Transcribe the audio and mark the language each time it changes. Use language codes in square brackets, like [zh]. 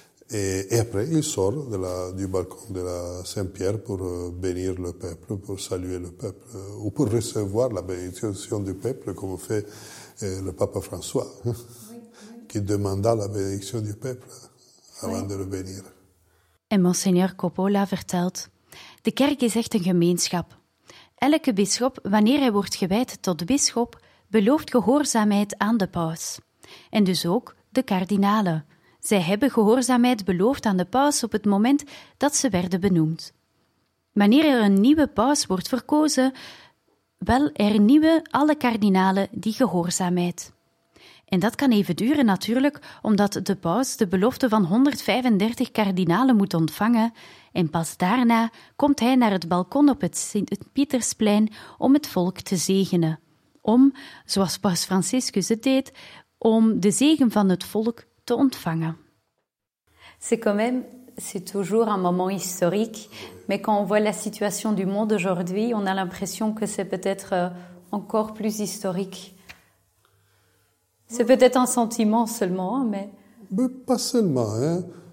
[fr] Et après, il sort du balcon de la Saint-Pierre pour bénir le peuple, pour saluer le peuple, ou pour recevoir la bénédiction du peuple, comme fait le pape François, qui demanda la bénédiction du peuple avant de le bénir. [nl] Et Monseigneur Coppola vertelt, de kerk is echt een gemeenschap. Elke bisschop, wanneer hij wordt gewijd tot bisschop, belooft gehoorzaamheid aan de paus. En dus ook de kardinalen. Zij hebben gehoorzaamheid beloofd aan de paus op het moment dat ze werden benoemd. Wanneer er een nieuwe paus wordt verkozen, wel hernieuwen alle kardinalen die gehoorzaamheid. En dat kan even duren natuurlijk, omdat de paus de belofte van 135 kardinalen moet ontvangen en pas daarna komt hij naar het balkon op het Sint-Pietersplein om het volk te zegenen. Om, zoals paus Franciscus het deed, om de zegen van het volk te ontvangen. [fr] C'est quand même, c'est toujours un moment historique, mais quand on voit la situation du monde aujourd'hui, on a l'impression que c'est peut-être encore plus historique. C'est peut-être un sentiment seulement, mais... Mais pas seulement. Hein.